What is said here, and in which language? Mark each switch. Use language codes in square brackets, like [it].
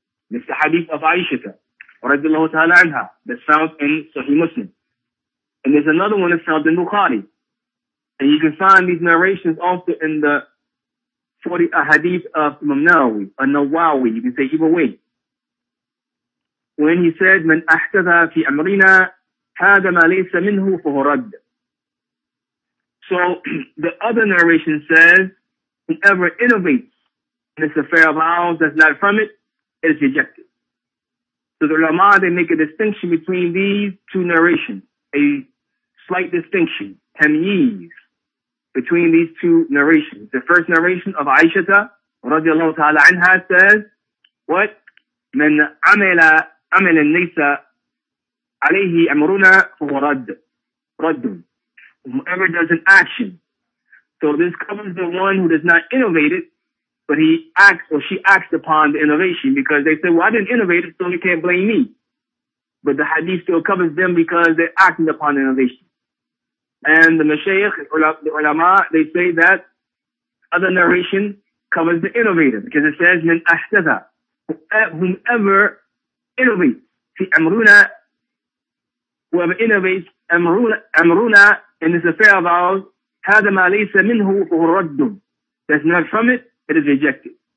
[en] It's the hadith of Aisha, radiallahu ta'ala anha, that's found in Sahih Muslim. And there's another one that's found in Bukhari. And you can find these narrations also in the 40 hadith of Imam Nawawi, or Nawawi, you can say either way. When he said, [ar] من أحدث في أمرنا هذا ما ليس منه فهو رد. [en] So the other narration says, whoever innovates in this affair of ours that's not from it, it is rejected. So the ulama, they make a distinction between these two narrations, a slight distinction, tamyiz, between these two narrations. The first narration of Aisha radiallahu ta'ala anha says, what? [ar] من عمل عمل الناس عليه أمرنا فهو رد. [en] رد. Whoever does an action. So this covers the one who does not innovate it, but he acts or she acts upon the innovation, because they say, well, I didn't innovate it, so you can't blame me. But the hadith still covers them because they're acting upon innovation. And the mashayikh, the ulama, they say that other narration covers the innovator, because it says, [ar] من أحدث, [en] whomever innovates, [ar] في أمرنا, [en] whoever innovates أمرنا in this affair of ours, [ar] هذا ما ليس منه رد, [en] that's not from it, it is rejected.